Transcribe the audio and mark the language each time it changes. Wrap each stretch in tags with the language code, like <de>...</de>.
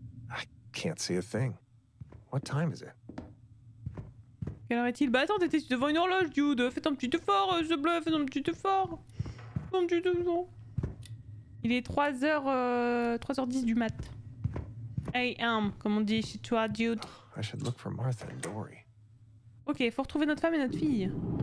<en>I can't see a thing. What time is it?</en> <fr>Quelle heure est-il? Bah attends, t'étais devant une horloge, dude. Fais un petit effort, je bleu, fais un petit effort. Fais un petit effort. Il est 3h10 du mat. A.M. comme on dit chez toi, dude.</fr> <en>Oh, I should look for Martha and Dory.</en> <fr>Ok, faut retrouver notre femme et notre fille.</fr>